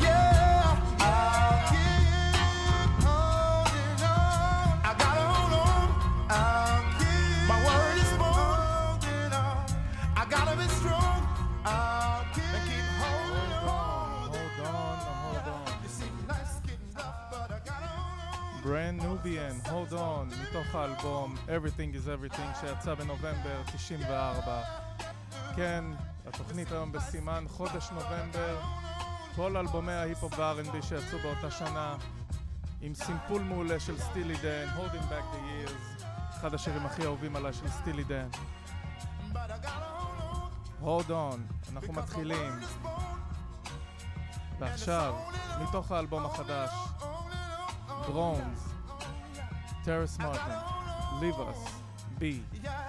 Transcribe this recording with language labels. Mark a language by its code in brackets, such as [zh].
[en] Yeah, I'll keep holding on. I gotta hold on. I'll keep my word is born. Holding on. I gotta be strong. I'll keep, and keep holding on. Hold on, hold on. You see, life's getting rough, but I gotta hold on. Brand Nubian, hold on. [he] מתוך האלבום Everything is Everything שיצא בנובמבר 94. כן, התוכנית היום בסימן חודש נובמבר. כל אלבומי ההיפ-הופ והר&בי שיצאו באותה שנה עם סימפול מעולה של סטילי דן, Holding Back the Years, אחד השירים הכי אהובים עליי של סטילי דן. Hold on, אנחנו מתחילים. ועכשיו, מתוך האלבום החדש, Drones, Terrace Martin, Leave Us, Be.